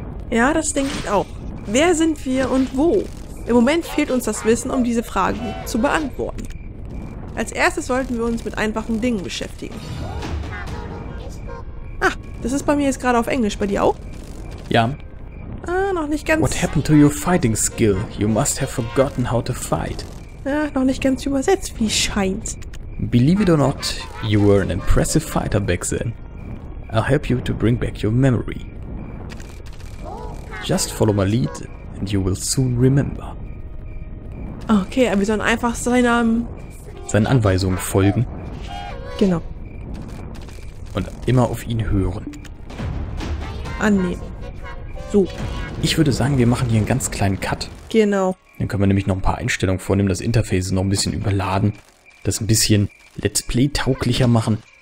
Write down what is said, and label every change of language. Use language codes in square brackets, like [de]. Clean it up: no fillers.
[de] Ja, das denke ich auch. Wer sind wir und wo? Im Moment fehlt uns das Wissen, um diese Fragen zu beantworten. Als erstes sollten wir uns mit einfachen Dingen beschäftigen. Ah, das ist bei mir jetzt gerade auf Englisch, bei dir auch? Ja. Ah, na noch nicht ganz... [en] What happened to your fighting skill? You must have forgotten how to fight. [de] Noch nicht ganz übersetzt, wie scheint. [en] Believe it or not, you were an impressive fighter back then. I'll help you to bring back your memory. Just follow my lead and you will soon remember. [de] Okay, wir sollen einfach seinen Anweisungen folgen. Genau. Und immer auf ihn hören. Annehmen. So. Ich würde sagen, wir machen hier einen ganz kleinen Cut. Genau. Dann können wir nämlich noch ein paar Einstellungen vornehmen, das Interface noch ein bisschen überladen, das ein bisschen Let's Play-tauglicher machen.